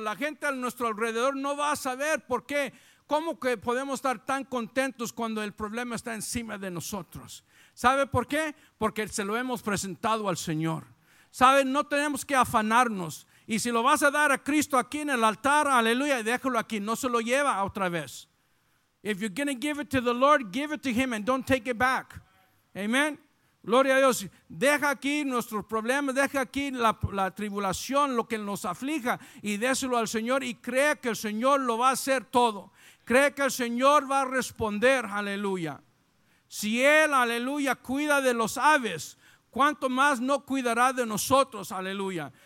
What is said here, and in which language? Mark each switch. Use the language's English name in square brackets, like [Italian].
[Spanish] La gente a nuestro alrededor no va a saber por qué. ¿Cómo que podemos estar tan contentos cuando el problema está encima de nosotros? ¿Sabe por qué? Porque se lo hemos presentado al Señor. ¿Sabe? No tenemos que afanarnos. Y si lo vas a dar a Cristo aquí en el altar, aleluya, déjalo aquí. No se lo lleva otra vez. [English] If you're going to give it to the Lord, give it to Him and don't take it back. [Spanish] Amen. Gloria a Dios. Deja aquí nuestros problemas, deja aquí la tribulación, lo que nos aflija, y déselo al Señor y crea que el Señor lo va a hacer todo. Cree que el Señor va a responder, aleluya. Si Él, aleluya, cuida de los aves, ¿cuánto más no cuidará de nosotros, aleluya?